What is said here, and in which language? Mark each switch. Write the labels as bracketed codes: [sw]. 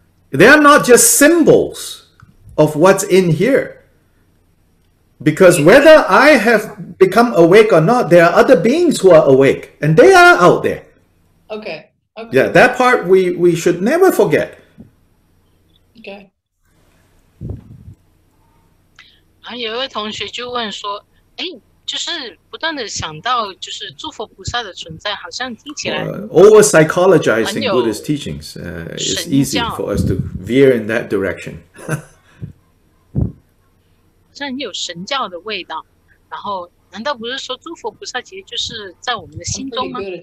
[en] They are not just symbols of what's in here. Because whether I have become awake or not, there are other beings who are awake, and they are out there. Okay. Yeah, that part we should never forget. Okay. [zh] 有一位同学就问说，就是不断的想到就是诸佛菩萨的存在，好像听起来 [en] over psychologizing Buddhist teachings, it's easy for us to veer in that direction. [zh] 好像很有神教的味道，然后难道不是说诸佛菩萨其实就是在我们的心中吗？